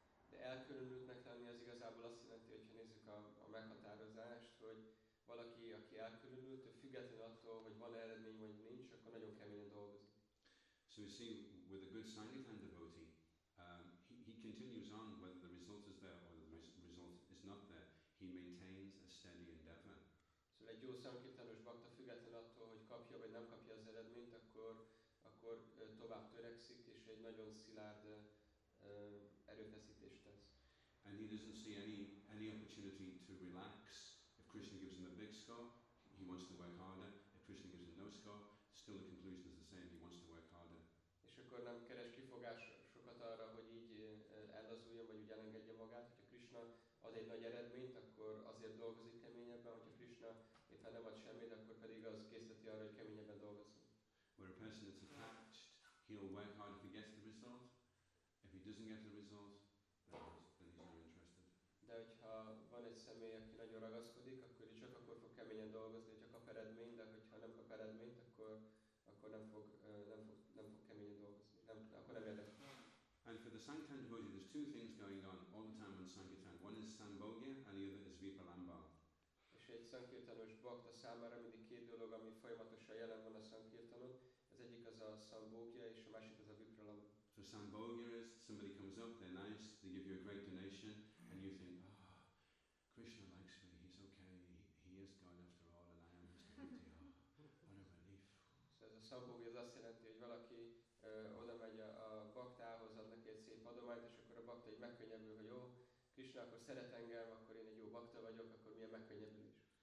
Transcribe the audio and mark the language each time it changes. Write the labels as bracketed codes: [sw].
[hu] De elkülönültnek lenni az igazából azt jelenti, hogyha nézzük a meghatározást, hogy valaki, aki elkülönült, függetlenül attól, hogy van eredmény vagy nincs, akkor nagyon keményen dolgozik. [en] So you see, with a good Sangitan devotee, he continues on whether the result is there or the result is not there. He maintains a steady endeavor. [hu] So egy jó szankirtanos bakta függetlenül attól, hogy kapja vagy nem kapja az eredményt, akkor tovább törekszik és egy nagyon szilárd erőfeszítést tesz. [en] And he doesn't see any opportunity to relax. If Krishna gives him a big score, he wants to work harder. If Krishna gives him no score, still the conclusion is the same. He wants to work harder. [hu] És akkor nem keres kifogásokat arra, hogy így ellazuljon, vagy úgy elengedje magát. Hogyha Krishna ad egy nagy eredményt, akkor azért dolgozik keményebben, hogyha Krishna éppen nem ad semmit, akkor pedig az készíti arra, hogy keményebben dolgozzon. [en] Where a person is attached, he'll work hard if he gets the result. If he doesn't get the result, then he's not interested. [hu] De hogyha van egy személy, aki nagyon ragaszkodik, akkor így csak akkor fog keményen dolgozni, hogyha kap eredményt, de hogyha nem kap eredményt, akkor nem fog keményen dolgozni, akkor nem érdekel. [en] And for the Sankirtan devotee, there's two things going on all the time on Sankirtan. One is Sambhogya, and the other is Vipralamba. [hu] És egy Sankirtanos bakta számára mindig két dolog, ami folyamatosan jelen van a Sankirtanon. Az egyik az a Sambhogya, és a másik az a Vipralamba. [en] So Sambhogya is, somebody comes up, they're nice, they give you a great donation, and you think, ah, oh, Krishna likes me, he's okay, he is God after all, and I am his devotee. [hu] Ez a szambógi az azt jelenti, hogy valaki oda megy a baktához, ad neki egy szép adományt, és akkor a bakta így megkönnyebbül, hogy jó, Krishna akkor szeret engem, akkor én egy jó bakta vagyok, akkor milyen megkönnyebbülés.